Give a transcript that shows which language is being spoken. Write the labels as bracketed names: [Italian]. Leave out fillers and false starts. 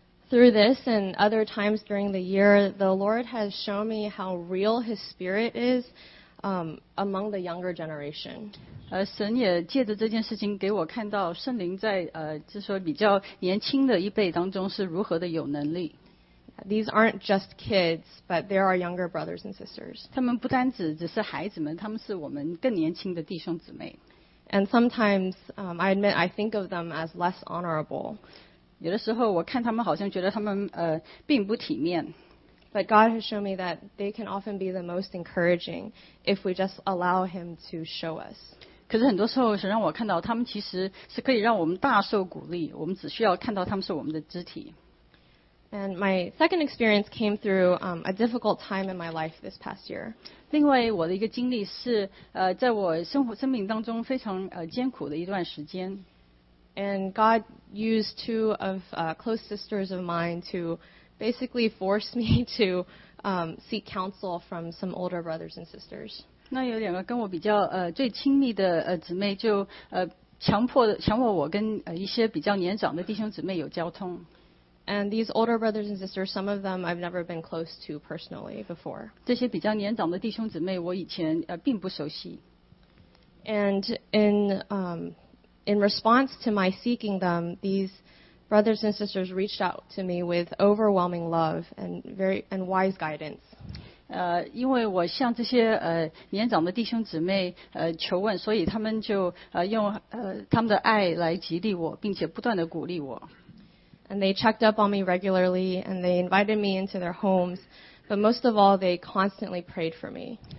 [English] Through this and other times during the year, the Lord has shown me how real His Spirit is among the younger generation. [Chinese] 神也借着这件事情给我看到圣灵在就说比较年轻的一辈当中是如何的有能力。 [English] These aren't just kids, but they are younger brothers and sisters. [Chinese] 他们不单只是孩子们，他们是我们更年轻的弟兄姊妹。 [English] And sometimes, I admit, I think of them as less honorable. [Chinese] 有的时候我看他们好像觉得他们并不体面。 [English] But God has shown me that they can often be the most encouraging if we just allow Him to show us. [Chinese] 可是很多时候神让我看到他们其实是可以让我们大受鼓励，我们只需要看到他们是我们的肢体。 [English] And my second experience came through a difficult time in my life this past year. [Chinese] 另外我的一个经历是在我生命当中非常艰苦的一段时间。 [English] And God used two of close sisters of mine to basically force me to seek counsel from some older brothers and sisters. [Chinese] 那有两个跟我比较最亲密的姊妹就强迫我跟一些比较年长的弟兄姊妹有交通。 [English] And these older brothers and sisters, some of them I've never been close to personally before. [Chinese] 这些比较年长的弟兄姊妹我以前并不熟悉。 [English] And in response to my seeking them, these brothers and sisters reached out to me with overwhelming love and wise guidance. [Chinese] 因为我向这些年长的弟兄姊妹求问，所以他们就用他们的爱来激励我，并且不断的鼓励我。 [English] And they checked up on me regularly, and they invited me into their homes. But most of all, they constantly prayed for me.